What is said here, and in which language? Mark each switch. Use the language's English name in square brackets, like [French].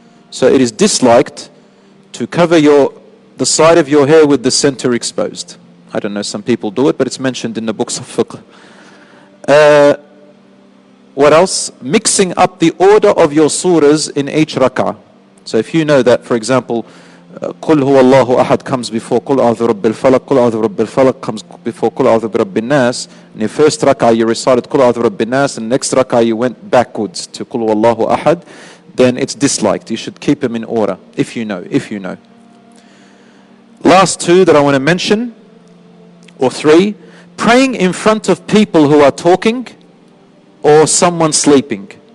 [English] So it is disliked to cover the side of your hair with the center exposed. I don't know, some people do it, but it's mentioned in the books of fiqh. What else? Mixing up the order of your surahs in each rak'ah. So if you know that, for example, [Arabic] قُلْ هُوَ اللَّهُ أَحَدْ [English] comes before [Arabic] قُلْ أَعُوذُ بِرَبِّ الْفَلَقِ قُلْ أَعُوذُ بِرَبِّ الْفَلَقِ comes before قُلْ أَعُوذُ بِرَبِّ النَّاسِ. [English] In your first rak'ah you recited [Arabic] قُلْ أَعُوذُ بِرَبِّ النَّاسِ, [English] and next rak'ah you went backwards to [Arabic] قُلْ هُوَ اللَّهُ أَحَدْ, [English] then it's disliked. You should keep them in order, if you know. Last two that I want to mention, or three, praying in front of people who are talking or someone sleeping.